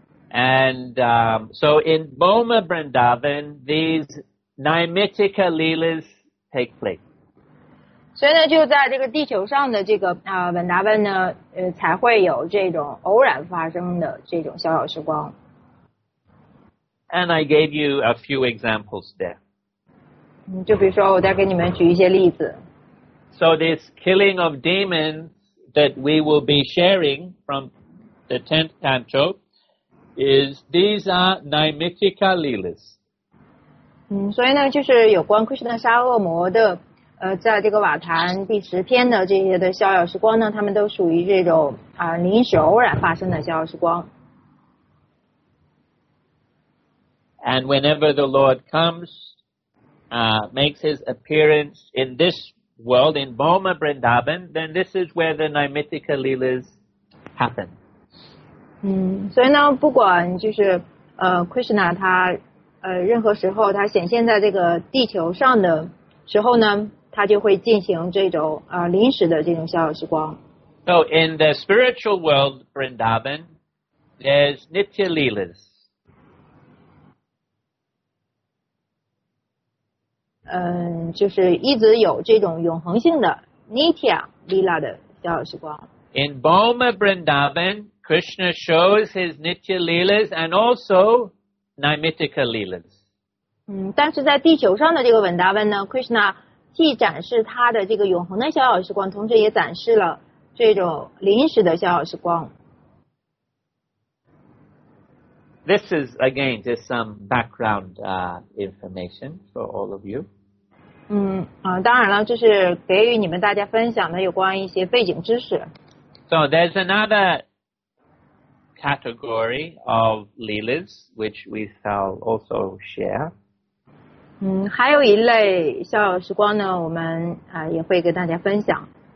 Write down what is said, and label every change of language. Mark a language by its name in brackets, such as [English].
[English] And so in Boma Vrindavan, these Naimittika Leelas take place. [Chinese] 所以呢，就在这个地球上的这个Vrindavan 呢，才会有这种偶然发生的这种逍遥时光。 [English] And I gave you a few examples there. [Chinese] 就比如说我再给你们举一些例子。 [English] So this killing of demons that we will be sharing from the 10th canto is these are Naimittika Leelas. [Chinese] 所以呢就是有关 Krishna 杀恶魔的在这个瓦坛第十篇的这些的逍遥时光呢他们都属于这种临时偶然发生的逍遥时光。 [English] And whenever the Lord comes, makes his appearance in this world, in Boma Vrindavan, then this is where the Naimittika Leelas happen. [Chinese] 所以呢，不管就是Krishna 他任何时候他显现在这个地球上的时候呢，他就会进行这种临时的这种逍遥时光。 [English] So in the spiritual world, Vrindavan, there's Nitya Leelas. [Chinese] 就是一直有这种永恒性的 Nitya Lila 的逍遥时光。 [English] In Boma Vrindavan, Krishna shows his Nitya Lilas and also Naimittika Lilas. [Chinese] 但是在地球上的这个 Vrindavan 呢 ，Krishna 既展示他的这个永恒的逍遥时光，同时也展示了这种临时的逍遥时光。 [English] This is again just some background information for all of you. [Chinese] 当然了，这是给予你们大家分享的有关一些背景知识。 [English] So there's another category of Leelas which we shall also share. [Chinese] 还有一类逍遥时光呢，我们也会跟大家分享。